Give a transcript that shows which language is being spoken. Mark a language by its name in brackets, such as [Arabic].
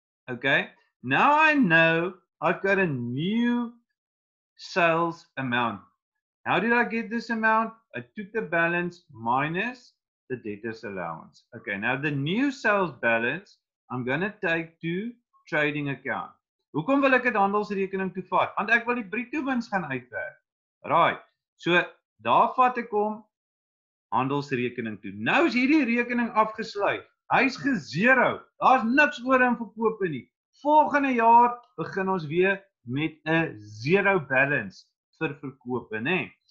[English] Okay, now I know I've got a new sales amount. How did I get this amount? I took the balance minus the debtors allowance. Okay, now the new sales balance, I'm going to take to trading account. [Afrikaans] Hoekom wil ek het handelsrekening toe vat? Want ek wil die bruto-wins gaan uitwerk. [English] Right, so [Afrikaans] daar vat ek om handelsrekening toe. Nou is hierdie rekening afgesluit. Hy is gezero. Daar is niks oor in verkoop nie. Volgende jaar begin ons weer met 'n [English] zero balance [Afrikaans] vir verkoop nie.